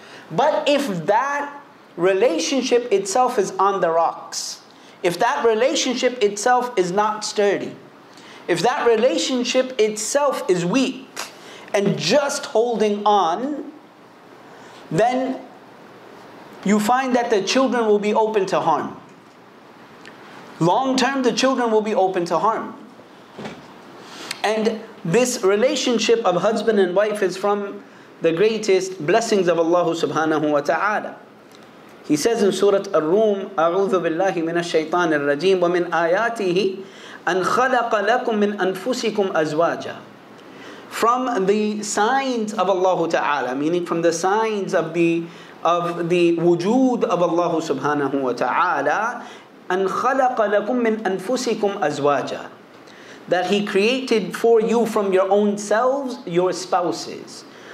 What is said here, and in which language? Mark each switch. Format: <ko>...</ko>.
<en>But if that relationship itself is on the rocks, if that relationship itself is not sturdy, if that relationship itself is weak and just holding on, then you find that the children will be open to harm. Long term, the children will be open to harm. And this relationship of husband and wife is from the greatest blessings of Allah Subhanahu wa Ta'ala. He says in Surah Ar-Rum,</en> <ar>أَعُوذُ بِاللَّهِ مِنَ الشَّيْطَانِ الرَّجِيمِ وَمِنْ آيَاتِهِ أَنْ خَلَقَ لَكُمْ مِنْ أَنفُسِكُمْ أَزْوَاجًا.</ar> <en>From the signs of Allah Ta'ala, meaning from the signs of the wujud of Allah Subhanahu wa Ta'ala,</en> <ar>أَنْ خَلَقَ لَكُمْ مِنْ أَنفُسِكُمْ أَزْوَاجًا,</ar> <en>that He created for you from your own selves, your spouses.</en>